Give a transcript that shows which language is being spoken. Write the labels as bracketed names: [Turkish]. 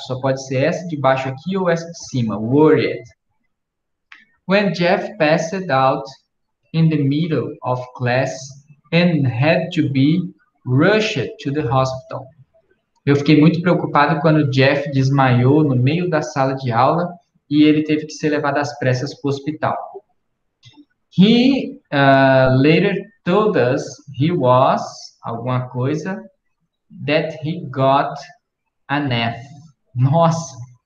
[Portuguese] Só pode ser essa de baixo aqui ou essa de cima, worried. [English] When Jeff passed out in the middle of class and had to be rushed to the hospital. [Portuguese] Eu fiquei muito preocupado quando o Jeff desmaiou no meio da sala de aula e ele teve que ser levado às pressas para o hospital. [English] He later told us he was, [Portuguese] alguma coisa, [English] that he got an F. [Portuguese] Nossa!